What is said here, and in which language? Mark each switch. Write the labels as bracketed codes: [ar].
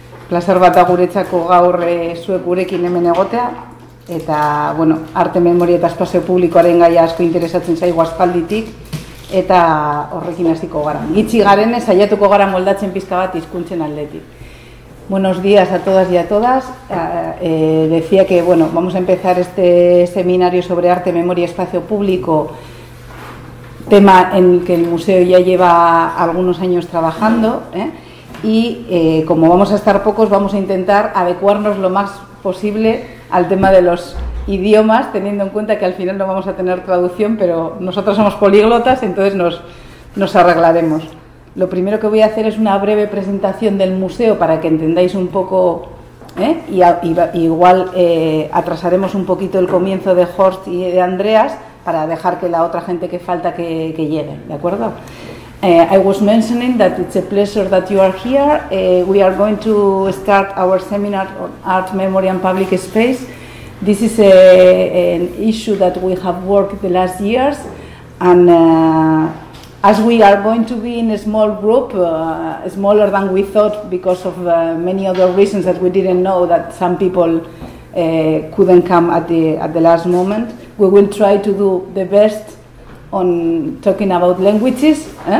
[eu] Plazer bat da guretzako gaur zuek gurekin hemen egotea. Eta, bueno, arte memoria eta espazio publikoaren gaia asko interesatzen zaigu aspalditik. Eta horrekin hasiko gara. Gitzi garen ez, saiatuko gara moldatzen pizka bat hizkuntzen aldetik. [es] Buenos días a todas y a todas. Decía que, bueno, vamos a empezar este seminario sobre arte, memoria y espacio público, tema en el que el museo ya lleva algunos años trabajando, ¿eh? Y como vamos a estar pocos, vamos a intentar adecuarnos lo más posible al tema de los idiomas, teniendo en cuenta que al final no vamos a tener traducción, pero nosotros somos políglotas, entonces nos arreglaremos. Lo primero que voy a hacer es una breve presentación del museo para que entendáis un poco, y igual atrasaremos un poquito el comienzo de Horst y de Andreas para dejar que la otra gente que falta que llegue, ¿de acuerdo? [en] I was mentioning that it's a pleasure that you are here. We are going to start our seminar on art, memory and public space. This is an issue that we have worked the last years and as we are going to be in a small group, smaller than we thought because of many other reasons that we didn't know that some people couldn't come at the last moment, we will try to do the best on talking about languages.